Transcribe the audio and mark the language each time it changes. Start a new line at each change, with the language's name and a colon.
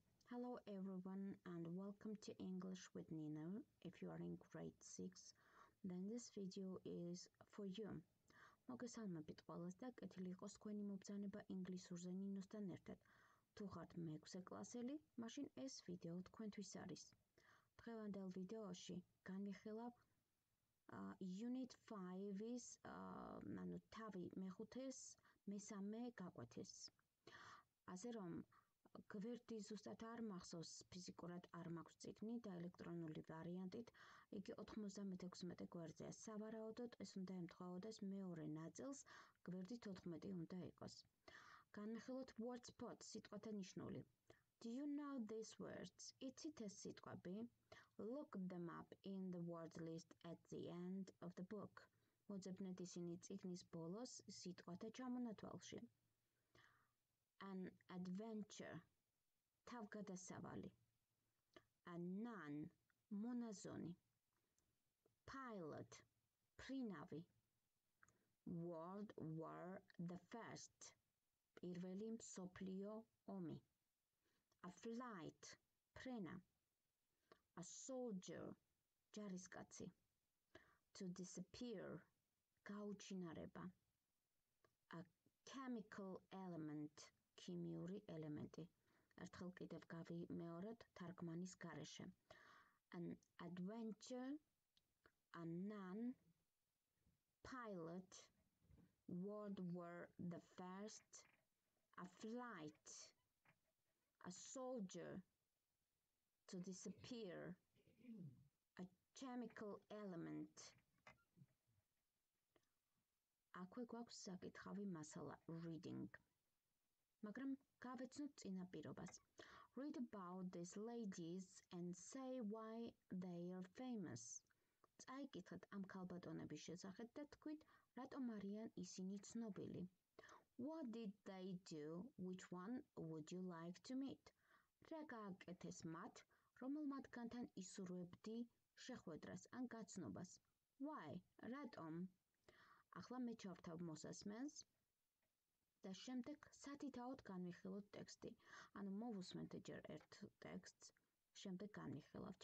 English: Hello everyone and welcome to English with Nina. If you are in grade 6, then this video is for you.
Georgian: მოგესალმებით ყველას და კეთილი იყოს თქვენი მობრძანება ინგლისურზე ნინოსთან ერთად. თუ ხართ მეექვსე კლასელი, მაშინ ეს ვიდეო თქვენთვის არის. დღევანდელ ვიდეოში განვიხილავ unit 5-ის ანუ თავი მეხუთეს მესამე გაკვეთეს. ასე რომ გვერდი ზუსტად არ მახსოვს, ფიზიკურად არ მაქვს წიგნი და ელექტრონული ვარიანტით იგი 96 გვერდზეა. სავარაუდოდ ეს უნდა ემთხვეოდეს მეორე ნაწილს, გვერდი 14 უნდა იყოს. განვიხილოთ word spot სიტყვათა ნიშნული.
English: Do you know these words?
Georgian: იცით ეს სიტყვები?
English: Look them up in the word list at the end of the book.
Georgian: მოძებნეთ ისინი წიგნის ბოლოს სიტყვათა ჩამონათვალში.
English: An adventure, თავგადასავალი. A nun, მონაზონი. Pilot, ფრინავი. World War the First,
Georgian: პირველი მსოფლიო ომი.
English: A flight, ფრენა. A soldier, ჯარისკაცი. To disappear, გაუჩინარება. A chemical element,
Georgian: ქიმიური ელემენტი. ერთხელ კიდევ გავიმეორებ თარგმანის გარეშე.
English: An adventure, a nun, pilot, World War the First, a flight, a soldier, to disappear, a chemical element.
Georgian: აქვე გვაქვს საკითხავი მასალა reading. მაგრამ გავეცნოთ წინაპირობას.
English: Read about these ladies and say why they are famous.
Georgian: წაიკითხეთ ამ ქალბატონების შესახებ და თქვით, რატომ არიან ისინი ცნობილი.
English: What did they do? Which one would you like to meet?
Georgian: რა გააკეთეს მათ, რომელ მათგანთან ისურვებდი შეხვედრას ან გაცნობას?
English: Why?
Georgian: რატომ? ახლა მე ჩავრთავ მოსასმენს. Და შემდეგ სათითაოდ განვიხილოთ ტექსტი. ანუ მოვუსმენთ ჯერ ერთ ტექსტს, შემდეგ განვიხილავთ.